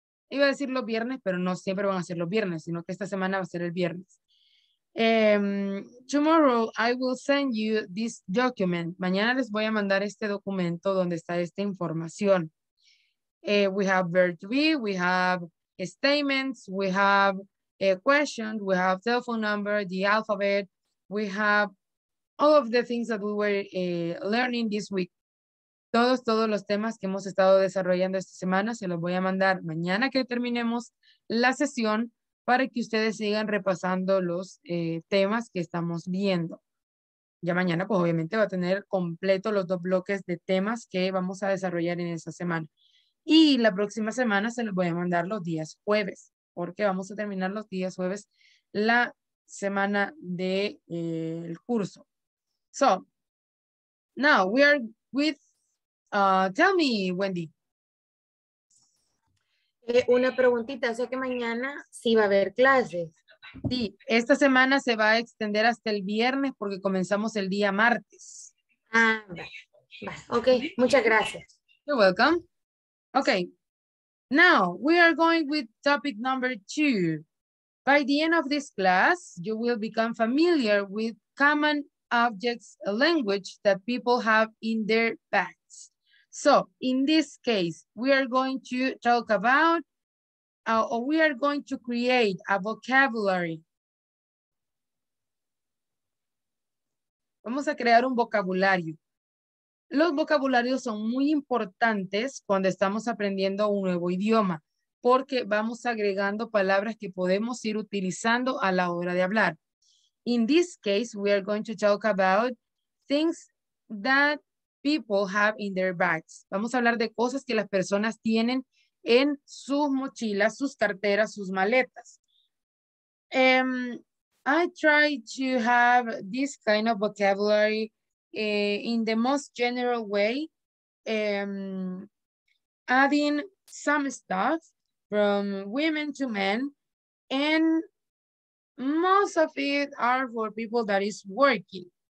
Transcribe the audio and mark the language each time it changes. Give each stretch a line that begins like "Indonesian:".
Spanish: Iba a decir los viernes, pero no siempre van a ser los viernes, sino que esta semana va a ser el viernes.
English: Tomorrow I will send you this document.
Spanish: Mañana les voy a mandar este documento donde está esta información.
English: We have verb to be, we have statements, we have a question, we have telephone number, the alphabet, we have all of the things that we were learning this week.
Spanish: Todos los temas que hemos estado desarrollando esta semana se los voy a mandar mañana que terminemos la sesión para que ustedes sigan repasando los temas que estamos viendo. Ya mañana, pues obviamente va a tener completo los dos bloques de temas que vamos a desarrollar en esa semana. Y la próxima semana se los voy a mandar los días jueves, porque vamos a terminar los días jueves la semana del el curso.
English: So, now we are with, tell me, Wendy.
Spanish: Una preguntita, sé que mañana sí va a haber clases. Sí, esta semana se va a extender hasta el viernes porque comenzamos el día martes. Ah, va. Ok, muchas gracias.
English: You're welcome. Okay, now we are going with topic number 2. By the end of this class, you will become familiar with common objects language that people have in their bags. So in this case, we are going to talk about, or we are going to create a vocabulary.
Spanish: Vamos a crear un vocabulario. Los vocabularios son muy importantes cuando estamos aprendiendo un nuevo idioma porque vamos agregando palabras que podemos ir utilizando a la hora de hablar.
English: In this case, we are going to talk about things that people have in their bags.
Spanish: Vamos a hablar de cosas que las personas tienen en sus mochilas, sus carteras, sus maletas.
English: I try to have this kind of vocabulary in the most general way, adding some stuff from women to men, and most of it are for people that is working.